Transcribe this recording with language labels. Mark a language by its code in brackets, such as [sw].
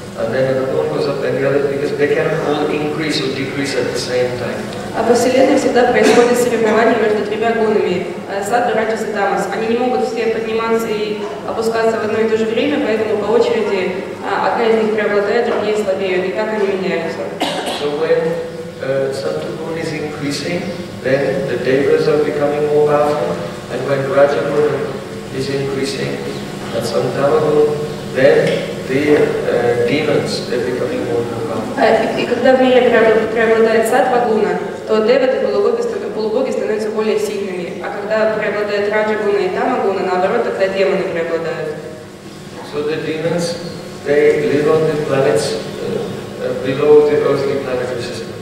[en] And then another one goes up and the other, because they can all increase or decrease at the same time. [ru] А во Вселенной всегда происходит соревнование между тремя гунами, Сатта, Раджаса и Тамас. Они не могут все подниматься и опускаться в одно и то же время, поэтому по очереди одна из них преобладает, другие слабеют. И как они меняются? [en] So when Satogun is increasing, then the devas are becoming more powerful, and when Rajagun is increasing, and Santamagun, then the demons are becoming more powerful. [ru] И когда в мире преобладает Сатвагуна, то деваты полубоги становятся более сильными, а когда преобладает Раджагуна и Тамагуна, наоборот, тогда демоны преобладают. [en] So the demons, they live on the planets below the earthly planetary system.